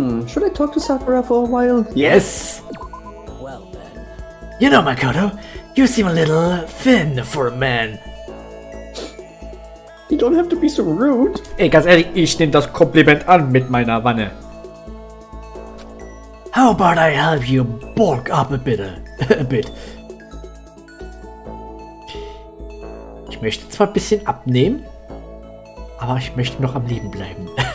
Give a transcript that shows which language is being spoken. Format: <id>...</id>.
<en>Should I talk to Sakura for a while? Yes! You know, Makoto, you seem a little thin for a man. You don't have to be so rude.</en> <de>Ey, ganz ehrlich, ich nehme das Kompliment an mit meiner Wanne.</de> <en>How about I help you bulk up a bit?</en> <de>Ich möchte zwar ein bisschen abnehmen, aber ich möchte noch am Leben bleiben.</de>